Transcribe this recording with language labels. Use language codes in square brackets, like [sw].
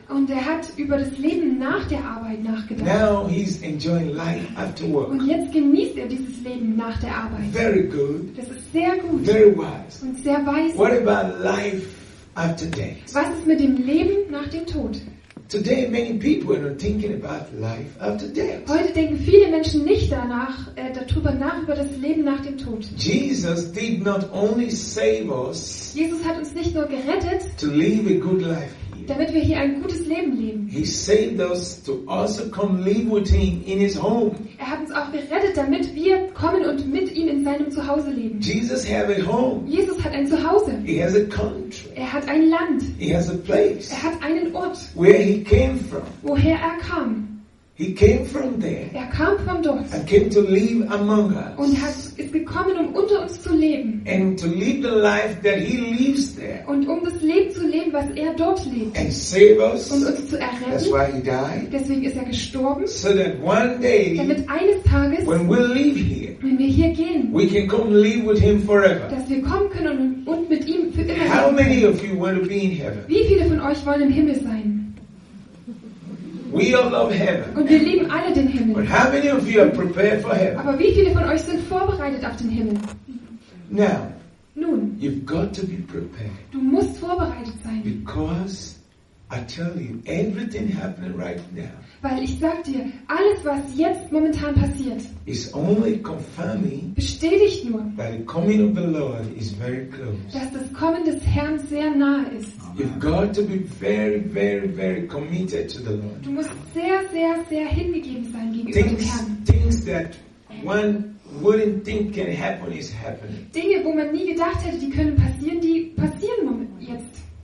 [de] Und er hat über das Leben nach der Arbeit nachgedacht. [en] Now he's enjoying life after work. [de] Und jetzt genießt er dieses Leben nach der Arbeit. [en] Very good. [de] Das ist sehr gut. [en] Very wise. [de] Und sehr weise. [en] What about life after death? [de] Was ist mit dem Leben nach dem Tod? [en] Today many people are not thinking about life after death. [de] Heute denken viele Menschen nicht danach darüber nach über das Leben nach dem Tod. [en] Jesus did not only save us. [de] Jesus hat uns nicht nur gerettet. [en] To live a good life here. [de] Damit wir hier ein gutes Leben leben. [en] He saved us to also come live with him in his home. [de] Er hat uns auch gerettet, damit wir kommen und mit ihm in seinem Zuhause leben. [en] Jesus has a home. [de] Jesus hat ein Zuhause. [en] He has a country. [de] Er hat ein Land. [en] He has a place. [de] Er hat einen Ort. [en] Where he came from. [de] Woher er kam. [en] He came from there. [de] Er kam von dort. [en] And came to live among us. [de] Und ist gekommen, um unter uns zu leben. [en] And to live the life that he lives there. [de] Und um das Leben zu leben, was er dort lebt. [en] And save us. [de] Und uns zu erretten. [en] That's why he died. [de] Deswegen ist er gestorben. [en] So that one day, [de] damit eines Tages, [en] when we leave here, [de] wenn wir hier gehen, [en] we can come live with him forever. [de] Dass wir kommen können und mit ihm für immer leben. [en] How many of you want to be in heaven? [de] Wie viele von euch wollen im Himmel sein? [en] We all love heaven. [de] Und wir lieben alle den Himmel. [en] But how many of you are prepared for heaven? [de] Aber wie viele von euch sind vorbereitet auf den Himmel? [en] Now, [de] nun, [en] you've got to be prepared. [de] Du musst vorbereitet sein. [en] Because I tell you, everything happening right now. [de] Weil ich sag dir, alles was jetzt momentan passiert, [en] is only confirming, [de] bestätigt nur, [en] that the coming of the Lord is very close. [de] Dass das Kommen des Herrn sehr nahe ist. [en] You've got to be very, very, very committed to the Lord. [de] Du musst sehr, sehr, sehr hingegeben sein gegenüber [en] things, [de] dem Herrn. [en] Things that one wouldn't think can happen is happening. [de] Dinge, wo man nie gedacht hätte, die können passieren, die passieren jetzt.